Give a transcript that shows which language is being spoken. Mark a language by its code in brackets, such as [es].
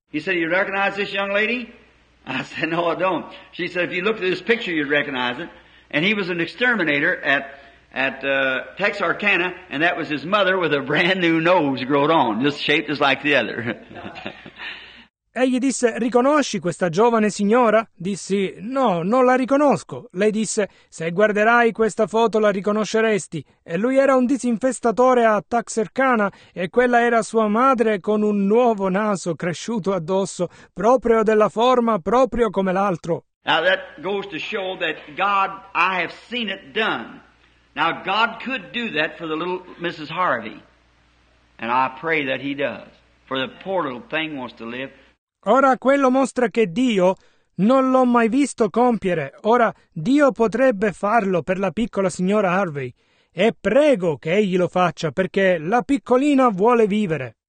[en] He said, you recognize this young lady? I said, no, I don't. She said, if you looked at this picture, you'd recognize it. And he was an exterminator at Texarkana, and that was his mother with a brand new nose growed on, just shaped just like the other. [it] Egli disse, riconosci questa giovane signora? Dissi, no, non la riconosco. Lei disse, se guarderai questa foto la riconosceresti. E lui era un disinfestatore a Texarkana e quella era sua madre con un nuovo naso cresciuto addosso, proprio della forma, proprio come l'altro. [en] Now that goes to show that God, I have seen it done. Now, God could do that for the little Mrs. Harvey, and I pray that he does, for the poor little thing wants to live. [it] Ora, quello mostra che Dio non l'ho mai visto compiere. Ora, Dio potrebbe farlo per la piccola signora Harvey, e prego che egli lo faccia, perché la piccolina vuole vivere.